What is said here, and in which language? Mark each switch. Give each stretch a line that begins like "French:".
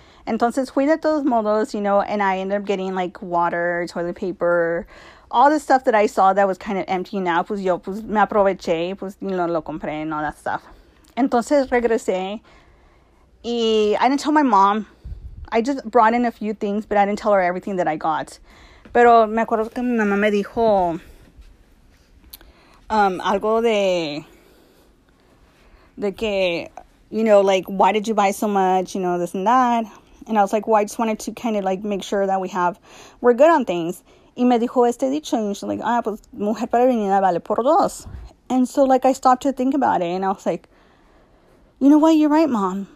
Spanish: Entonces fui de todos modos,
English: you know, and I ended up getting like water, toilet paper, all the stuff that I saw that was kind of empty now,
Spanish: pues yo pues me aproveché, pues
English: you know,
Spanish: lo compré
English: and all that stuff.
Spanish: Entonces regresé y
English: I didn't tell my mom. I just brought in a few things, but I didn't tell her everything that I got.
Spanish: Pero me acuerdo que mi mamá me dijo algo de. de que,
English: like, why did you buy so much, this and that. And I was like, well, I just wanted to kind of like make sure that we're good on things.
Spanish: Y me dijo este dicho,
English: and she's like,
Spanish: ah, pues mujer prevenida vale por dos.
English: And so, like, I stopped to think about it, and I was like, you know what? You're right, mom.